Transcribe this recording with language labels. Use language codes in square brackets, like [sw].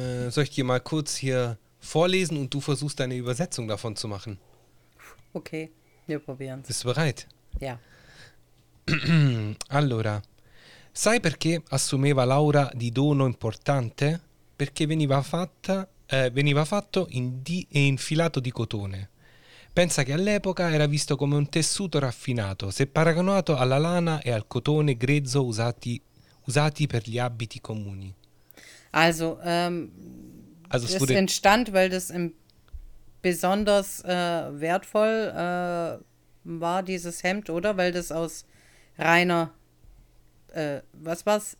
[de] Soll ich dir mal kurz hier vorlesen und du versuchst deine Übersetzung davon zu machen? Okay, wir probieren es. Bist du bereit? Ja. [it] Allora, sai perché assumeva l'aura di dono importante? Perché veniva fatto e infilato di cotone. Pensa che all'epoca era visto come un tessuto raffinato, se paragonato alla lana e al cotone grezzo usati per gli abiti comuni. [de] Also, Es wurde entstand, weil das besonders wertvoll war, dieses Hemd, oder? Weil das aus reiner, was war's?